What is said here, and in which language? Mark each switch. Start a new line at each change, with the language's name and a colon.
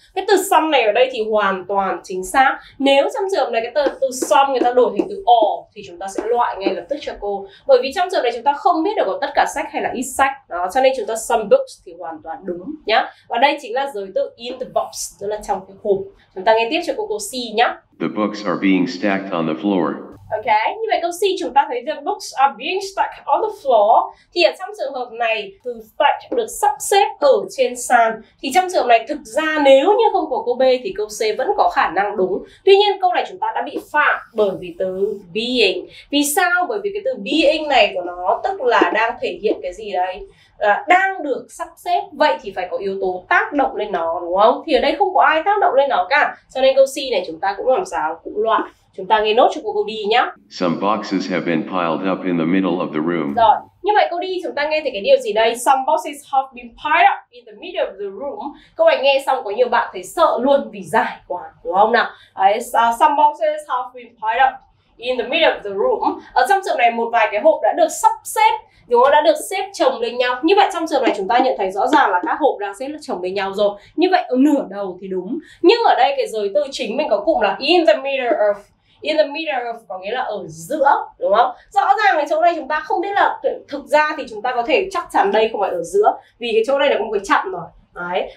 Vietnamese: Cái từ some này ở đây thì hoàn toàn chính xác. Nếu trong trường hợp này cái từ some người ta đổi thành từ all thì chúng ta sẽ loại ngay lập tức cho cô. Bởi vì trong trường này chúng ta không biết được có tất cả sách hay là ít sách. Đó, cho nên chúng ta some books thì hoàn toàn đúng nhá. Và đây chính là giới từ in the box, đó là trong cái hộp. Chúng ta nghe tiếp cho câu C nhá.
English: The books are being stacked on the floor.
Vietnamese: Ok, như vậy câu C chúng ta thấy the books are being stacked on the floor. Thì ở trong trường hợp này từ stack được sắp xếp ở trên sàn. Thì trong trường hợp này thực ra nếu như không có câu B thì câu C vẫn có khả năng đúng. Tuy nhiên câu này chúng ta đã bị phạm bởi vì từ being. Vì sao? Bởi vì cái từ being này của nó tức là đang thể hiện cái gì đấy? À, đang được sắp xếp, vậy thì phải có yếu tố tác động lên nó đúng không? Thì ở đây không có ai tác động lên nó cả, cho nên câu C này chúng ta cũng làm sao cũng loại. Chúng ta nghe nốt cho cô đi nhá.
English: Some boxes have been piled up in the middle of the room.
Vietnamese: Rồi. Như vậy cô đi chúng ta nghe thấy cái điều gì đây?
English: Some boxes have been piled up in the middle of the room.
Vietnamese: Câu này nghe xong có nhiều bạn thấy sợ luôn vì dài quá đúng không nào?
English: Some boxes have been piled up in the middle of the room.
Vietnamese: Ở trong trường này một vài cái hộp đã được sắp xếp, đúng không? Đã được xếp chồng lên nhau. Như vậy trong trường này chúng ta nhận thấy rõ ràng là các hộp đang xếp chồng lên nhau rồi. Như vậy ở nửa đầu thì đúng. Nhưng ở đây cái giới từ chính mình có cụm là in the middle of. In the middle of có nghĩa là ở giữa, đúng không? Rõ ràng cái chỗ này chúng ta không biết là thực ra thì chúng ta có thể chắc chắn đây không phải ở giữa, vì cái chỗ này là một cái chặn rồi. Đấy.